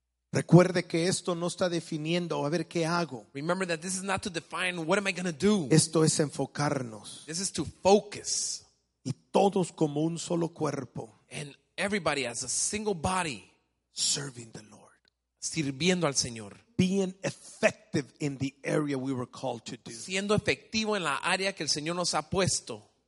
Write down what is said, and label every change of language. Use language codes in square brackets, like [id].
[es] Recuerde que esto no está definiendo a ver qué hago. [en] Remember that this is not to define what am I going to do. [es] Esto es enfocarnos. [en] This is to focus. [es] Y todos como un solo cuerpo. [en] And everybody as a single body. Serving the Lord. [es] Sirviendo al Señor. [en] Being effective in the area we were called to do. [es] Siendo efectivo en la área que el Señor nos ha puesto.